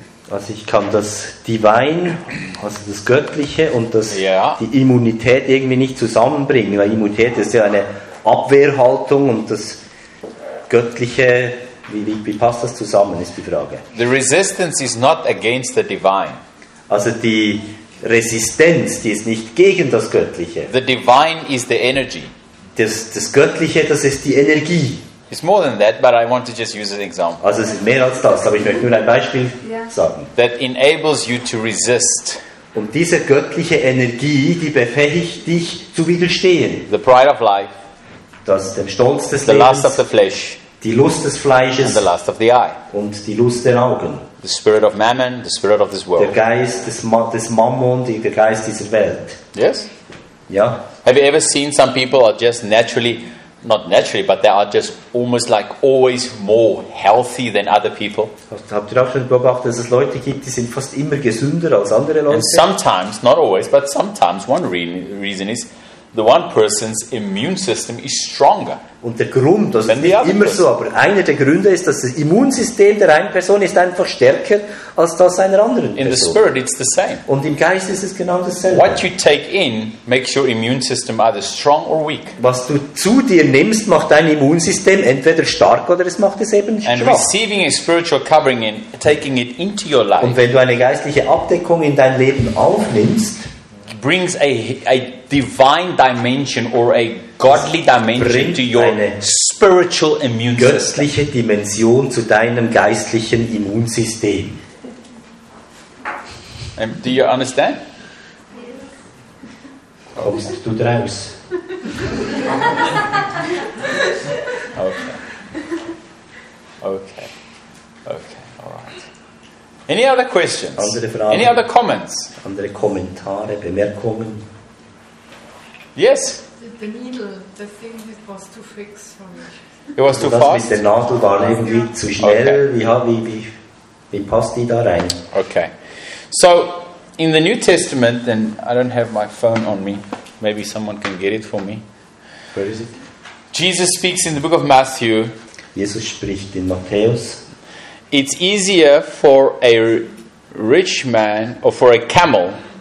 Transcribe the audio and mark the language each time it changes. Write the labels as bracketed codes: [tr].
[de] Also ich kann das Divine, also das Göttliche und das, die Immunität irgendwie nicht zusammenbringen, weil Immunität ist ja eine Abwehrhaltung und das Göttliche, wie passt das zusammen, ist die Frage. [en] The resistance is not against the divine. [de] Also die Resistenz, die ist nicht gegen das Göttliche. [en] The divine is the energy. [de] Das Göttliche, das ist die Energie. [en] It's more than that, but I want to just use an example. [de] Also es ist mehr als das, aber ich möchte nur ein Beispiel sagen. [en] That enables you to resist. [de] Und diese göttliche Energie, die befähigt dich zu widerstehen. [en] The pride of life. [de] Das dem Stolz des [en] the [de] Lebens. [en] The lust of the flesh. [de] Die Lust des Fleisches. [en] And the lust of the eye. [de] Und die Lust der Augen. [en] The spirit of Mammon, the spirit of this world. [de] Der Geist des Mammon, der Geist dieser Welt. [en] Yes. Yeah. Have you ever seen some people are just naturally, not naturally, but they are just almost like always more healthy than other people? [de] Habt ihr auch schon beobachtet, dass es Leute gibt, die sind fast immer gesünder als andere Leute? [en] And sometimes, not always, but sometimes one reason is the one person's immune system is stronger. [de] Und der Grund, das ist nicht immer so, aber einer der Gründe ist, dass das Immunsystem der einen Person ist einfach stärker als das einer anderen Person. [en] In the spirit it's the same. [de] Und im Geist ist es genau dasselbe. [en] What you take in makes your immune system either strong or weak. [de] Was du zu dir nimmst, macht dein Immunsystem entweder stark oder es macht es eben schwach. [en] And receiving a spiritual covering in, taking it into your life. [de] Und wenn du eine geistliche Abdeckung in dein Leben aufnimmst, [en] brings a divine dimension or a godly dimension to your spiritual immune system. [de] Göttliche Dimension zu deinem geistlichen Immunsystem. [en] Do you understand? [de] Kommst du draus? [en] Okay. All right. Any other questions? [de] Andere Fragen? [en] Any other comments? [de] Andere Kommentare, Bemerkungen? [en] Yes. The needle, the thing it was too fix for me. It was too fast. [de] Das mit der Nadel war irgendwie zu schnell. Okay. Wie passt die da rein? [en] Okay. So in the New Testament, and I don't have my phone on me. Maybe someone can get it for me. Where is it? Jesus speaks in the book of Matthew. [de] Jesus spricht in Matthäus. [en] It's easier for a rich man or for a camel.